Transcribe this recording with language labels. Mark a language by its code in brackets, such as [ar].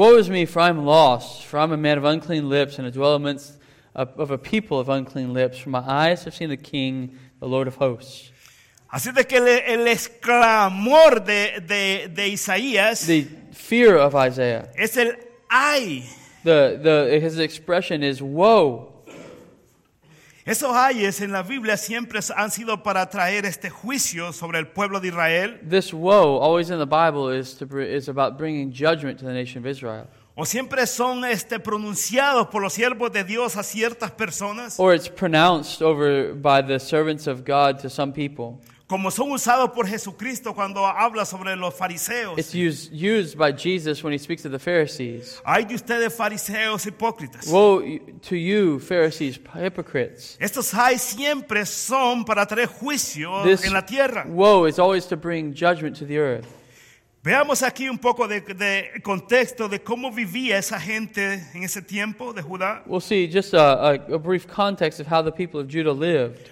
[en] Woe is me, for I am lost, for I am a man of unclean lips and a dweller amongst of a people of unclean lips. For my eyes have seen the King, the Lord of hosts. [es] Así de que el exclamor de Isaías. [en] The fear of Isaiah. [es] Es el ay. [en] His expression is woe. [es] Esos ayes en la Biblia siempre han sido para traer este juicio sobre el pueblo de Israel. [en] This woe, always in the Bible, is about bringing judgment to the nation of Israel. [es] O siempre son pronunciados por los siervos de Dios a ciertas personas. [en] Or it's pronounced over by the servants of God to some people. [es] Como son usados por Jesucristo cuando habla sobre los fariseos. [en] It's used by Jesus when he speaks to the Pharisees. [es] Ay de ustedes, fariseos hipócritas. [en] Woe to you, Pharisees, hypocrites. [es] Estos ay siempre son para traer juicio [en] this [es] en la tierra. [en] Woe is always to bring judgment to the earth. [es] Veamos aquí un poco de contexto de cómo vivía esa gente en ese tiempo de Judá. [en] We'll see just a brief context of how the people of Judah lived.